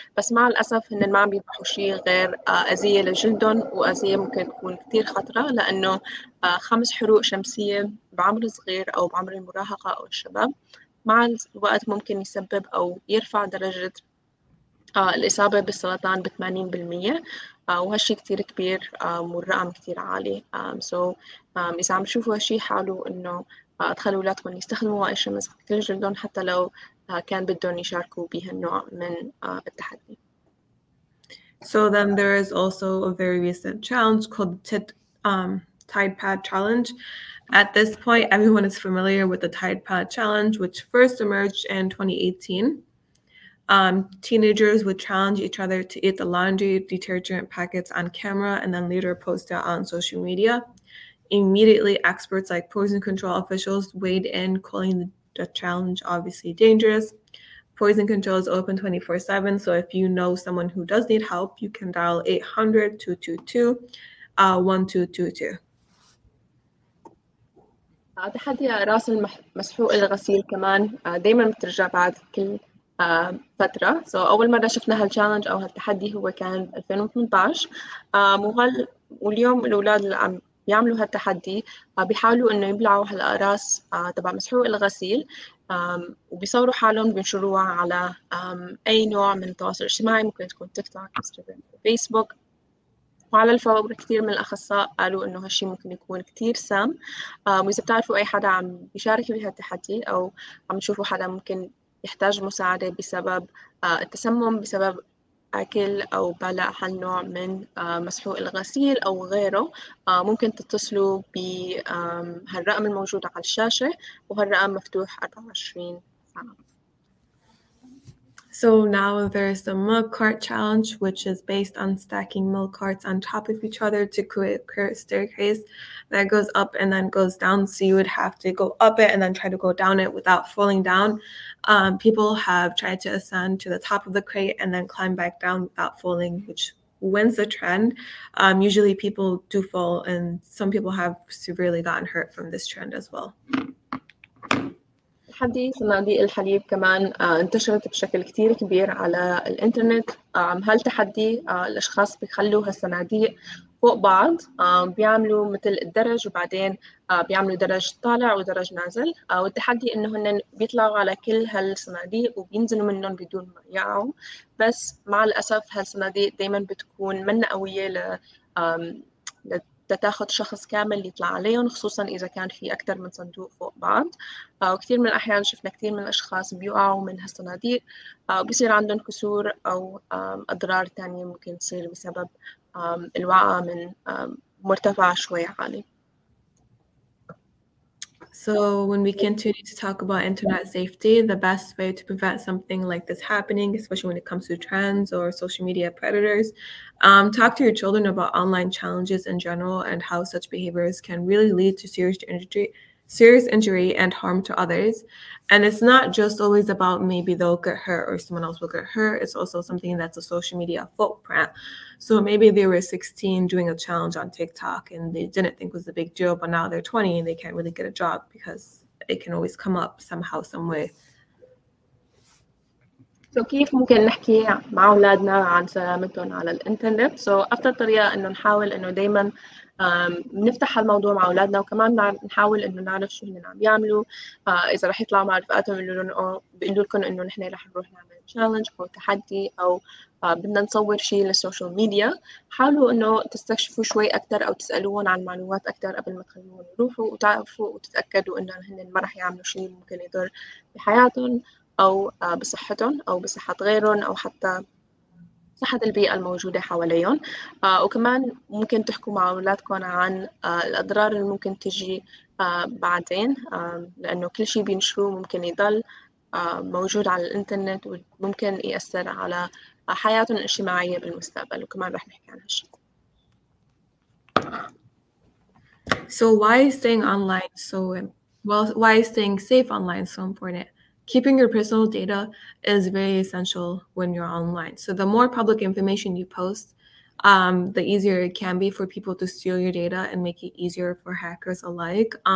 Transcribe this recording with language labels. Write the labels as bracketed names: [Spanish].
[Arabic] بس مع الأسف هن ما عم بيربحوا شيء غير أذية لجلدهم، وأذية ممكن تكون كتير خطرة، لأنه 5 حروق شمسية بعمر صغير أو بعمر المراهقة أو الشباب مع الوقت ممكن يسبب أو يرفع درجة الإصابة بالسرطان ب80%، وهالشي كتير كبير والرقم كتير عالي. سو إذا عم تشوفوا هالشي حاولوا إنه تخلوا أولادكم يستخدموا وقاية الشمس كل جلدهم، حتى لو كان بدهم يشاركوا بهالنوع من التحدي. [English] So then there is also a very recent challenge called Tide Pad Challenge. At this point, everyone is familiar with the Tide Pad Challenge, which first emerged in 2018. Teenagers would challenge each other to eat the laundry detergent packets on camera and then later post it on social media. Immediately, experts like poison control officials weighed in, calling the challenge obviously dangerous. Poison control is open 24/7, so if you know someone who does need help, you can dial 800-222-1222. [Arabic] تحدي راس المسحوق الغسيل كمان دايما بترجع بعد كل فترة. سو أول مرة شفنا هالتشالنج أو هالتحدي هو كان 2018، واليوم الأولاد اللي عم بيعملوا هالتحدي بيحاولوا إنه يبلعوا هالأقراص تبع مسحوق الغسيل، وبيصوروا حالهم بينشروها على أي نوع من التواصل الاجتماعي، ممكن تكون تيك توك، انستغرام، فيسبوك. وعلى الفور كثير من الأخصائي قالوا إنه هالشي ممكن يكون كثير سام، وإذا بتعرفوا أي حدا عم بيشارك بهالتحدي أو عم تشوفوا حدا ممكن يحتاج مساعدة بسبب التسمم بسبب أكل أو بلع هالنوع من مسحوق الغسيل أو غيره، ممكن تتصلوا بهالرقم الموجود على الشاشة، وهالرقم مفتوح 24 ساعة. [English] So now there is the milk cart challenge, which is based on stacking milk carts on top of each other to create a staircase that goes up and then goes down. So you would have to go up it and then try to go down it without falling down. People have tried to ascend to the top of the crate and then climb back down without falling, which wins the trend. Usually people do fall, and some people have severely gotten hurt from this trend as well. [Arabic] تحدي صناديق الحليب كمان انتشرت بشكل كتير كبير على الانترنت. هالتحدي الأشخاص بيخلوا هالصناديق فوق بعض، بيعملوا مثل الدرج، وبعدين بيعملوا درج طالع ودرج نازل، والتحدي إنه هن بيطلعوا على كل هالصناديق وبينزلوا منهم بدون ما يقعوا. بس مع الأسف هالصناديق دايما بتكون من قوية تاخذ شخص كامل يطلع عليهم، خصوصا اذا كان في اكثر من صندوق فوق بعض. وكثير من الاحيان شفنا كثير من الاشخاص بيقعوا من هالصناديق وبيصير عندهم كسور او اضرار ثانيه ممكن تصير بسبب الوقعه من مرتفع شوي عالي. [English] So when we continue to talk about internet safety, the best way to prevent something like this happening, especially when it comes to trends or social media predators, talk to your children about online challenges in general and how such behaviors can really lead to serious injury and harm to others. And it's not just always about maybe they'll get hurt or someone else will get hurt. It's also something that's a social media footprint. So maybe they were 16 doing a challenge on TikTok and they didn't think it was a big deal, but now they're 20 and they can't really get a job because it can always come up somehow, some way. [Arabic] So كيف ممكن نحكي مع أولادنا عن سلامتهم على الإنترنت؟ So أفضل طريقة إنه نحاول إنه دايماً نفتح الموضوع مع أولادنا، وكمان نحاول إنه نعرف شو هن عم يعملوا. إذا رح يطلعوا مع رفقاتهم بيقولوا لكم إنه نحن رح نروح نعمل تشالنج أو تحدي أو بدنا نصور شيء للسوشيال ميديا، حاولوا إنه تستكشفوا شوي أكثر أو تسألوهم عن معلومات أكثر قبل ما تخلوهم يروحوا، وتعرفوا وتتأكدوا إنه هن ما رح يعملوا شيء ممكن يضر بحياتهم أو بصحتهم أو بصحة غيرهم أو حتى تحت البيئة الموجودة حواليهم، وكمان ممكن تحكوا مع أولادكم عن الأضرار اللي ممكن تجي بعدين، لأنه كل شيء بينشروه ممكن يضل موجود على الإنترنت وممكن يأثر على حياتهم الاجتماعية بالمستقبل، وكمان رح نحكي عن هالشيء. [English] So why is staying online so, well, why is staying safe online so important? Keeping your personal data is very essential when you're online. So the more public information you post, the easier it can be for people to steal your data and make it easier for hackers alike.